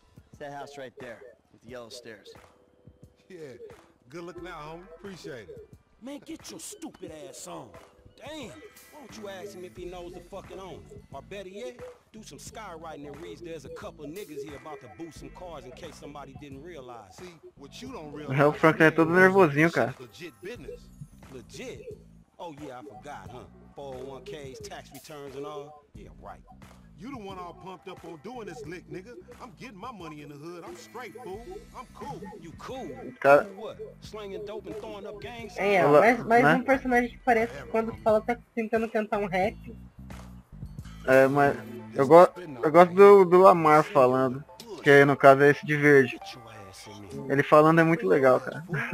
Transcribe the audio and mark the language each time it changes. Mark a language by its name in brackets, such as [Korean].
[English] It's that house right there, with the yellow stairs. Yeah, good looking out, homie. Appreciate it. Man, get your stupid ass on. Damn, why don't you ask him if he knows the fucking owner? Or better yet, do some skywriting and reads there's a couple of niggas here about to boost some cars in case somebody didn't realize. See, what you don't realize... [Portuguese] O Franklin é todo nervosinho, cara. [English] Legit business. Legit? Oh yeah, I forgot, huh? 401ks, tax returns and all? Yeah, right. You the one all pumped up on doing this lick, nigga. I'm getting my money in the hood. I'm straight, fool. I'm cool. You cool? [Portuguese] Cara. [English] Slanging dope and throwing up gangs. [Portuguese] É, mas um personagem que parece quando fala tá tentando cantar um rap. É, mas eu gosto do Lamar falando, que no caso é esse de verde. Ele falando é muito legal, cara.